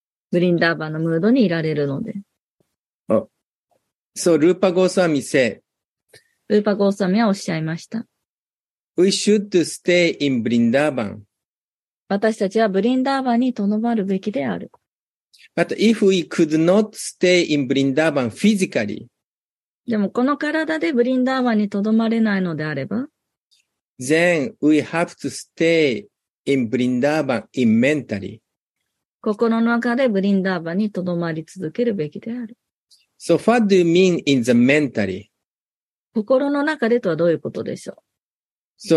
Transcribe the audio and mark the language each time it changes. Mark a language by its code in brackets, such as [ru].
[ja] ブリンダーバンのムードにいられるので。 [en] Oh. So Rupa Goswami said, [ja] ルーパゴーサミはおっしゃいました。 [en] We should stay in Vrindavan. [ja] 私たちはブリンダーバンに留まるべきである。 [en] But if we could not stay in Vrindavan physically, [ja] でもこの体でブリンダーバンに留まれないのであれば、 [en] then we have to stay in Vrindavan in mentally. [ja] 心の中でブリンダーバンに留まり続けるべきである。 [en] So what do you mean in the mentally? [ja] 心の中でとはどういうことでしょう。